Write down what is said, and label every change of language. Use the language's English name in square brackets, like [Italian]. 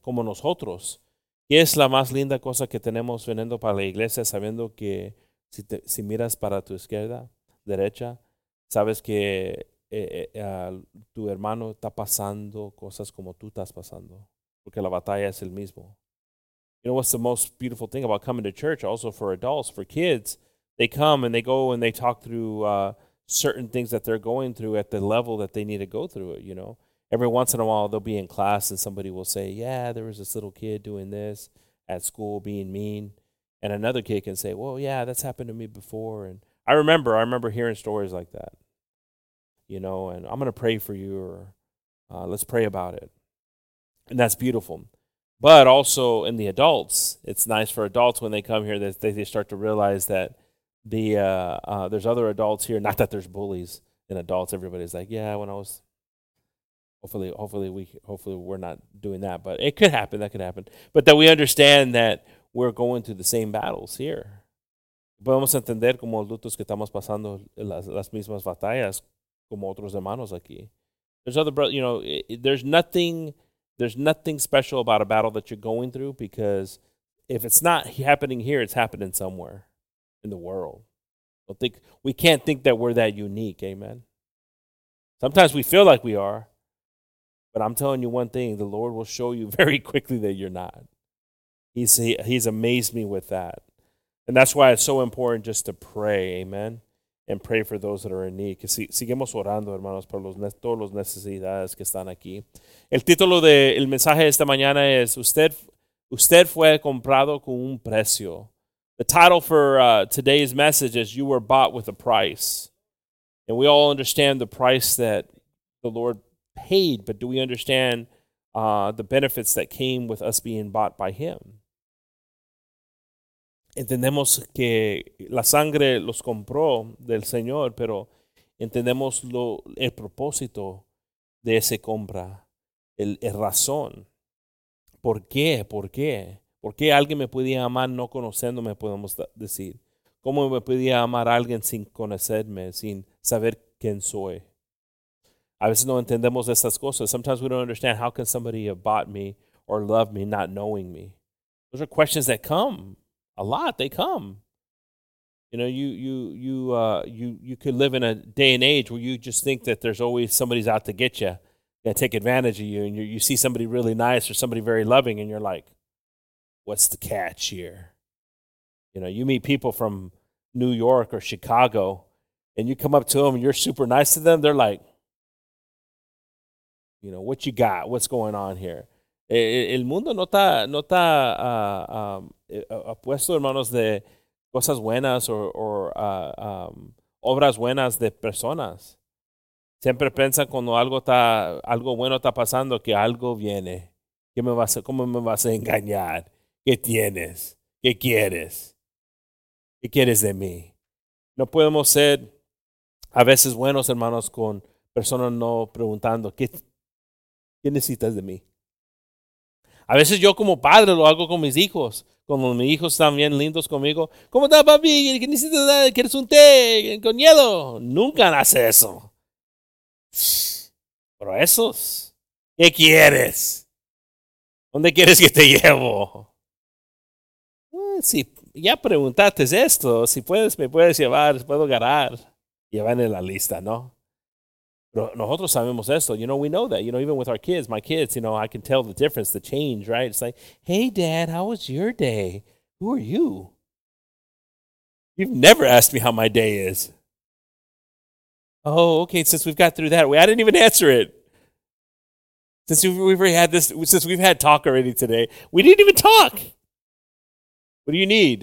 [Spanish] Como nosotros, ¿qué es la más linda cosa que tenemos veniendo para la iglesia sabiendo que si miras para tu izquierda, derecha, sabes que tu hermano está pasando cosas como tú estás pasando? Porque la batalla es el mismo. [English] You know what's the most beautiful thing about coming to church, also for adults, for kids? They come and they go and they talk through certain things that they're going through at the level that they need to go through it, you know. Every once in a while, they'll be in class and somebody will say, yeah, there was this little kid doing this at school being mean. And another kid can say, well, yeah, that's happened to me before. And I remember hearing stories like that, you know, and I'm going to pray for you or let's pray about it. And that's beautiful. But also in the adults, it's nice for adults when they come here that they start to realize that there's other adults here. Not that there's bullies in adults. Everybody's like, yeah, when I was, hopefully we're not doing that, but it could happen. That could happen. But that we understand that we're going through the same battles here. [Spanish] Podemos entender como adultos que estamos pasando las mismas batallas como otros hermanos aquí. [English] There's other brothers, you know, there's nothing special about a battle that you're going through, because if it's not happening here, it's happening somewhere in the world. We can't think that we're that unique, amen? Sometimes we feel like we are, but I'm telling you one thing, the Lord will show you very quickly that you're not. He's amazed me with that. And that's why it's so important just to pray, amen, and pray for those that are in need. [Spanish] Que sigamos orando, hermanos, por todos los necesidades que están aquí. El título del mensaje de esta mañana es, Usted fue comprado con un precio. [English] The title for today's message is, You Were Bought with a Price. And we all understand the price that the Lord paid, but do we understand the benefits that came with us being bought by Him? [Spanish] Entendemos que la sangre los compró del Señor, pero entendemos el propósito de esa compra, el razón. ¿Por qué? ¿Por qué? ¿Por qué alguien me podía amar no conociéndome, podemos decir? ¿Cómo me podía amar a alguien sin conocerme, sin saber quién soy? A veces no entendemos estas cosas. [English] Sometimes we don't understand how can somebody have bought me or loved me not knowing me. Those are questions that come a lot. They come. You know, you could live in a day and age where you just think that there's always somebody's out to get you, gonna take advantage of you, and you see somebody really nice or somebody very loving, and you're like, what's the catch here? You know, you meet people from New York or Chicago, and you come up to them, and you're super nice to them. They're like, you know, what you got? What's going on here? [Spanish] El mundo no está apuesto, hermanos, de cosas buenas o obras buenas de personas. Siempre piensan cuando algo bueno está pasando que algo viene. ¿Cómo me vas a engañar? ¿Qué tienes? ¿Qué quieres? ¿Qué quieres de mí? No podemos ser a veces buenos, hermanos, con personas no preguntando, ¿qué necesitas de mí? A veces yo como padre lo hago con mis hijos. Cuando mis hijos están bien lindos conmigo, ¿cómo está, papi? ¿Qué necesitas? ¿Quieres un té con hielo? Nunca hace eso. Pero esos, ¿qué quieres? ¿Dónde quieres que te llevo? Sí. Ya preguntaste esto, si puedes, me puedes llevar, puedo agarrar. Llevan en la lista, ¿no? Pero nosotros sabemos esto, [English] you know, we know that, you know, even with our kids, my kids, you know, I can tell the difference, the change, right? It's like, hey, dad, how was your day? Who are you? You've never asked me how my day is. Oh, okay, since we've got through that, I didn't even answer it. Since we've had talk already today, we didn't even talk. What do you need?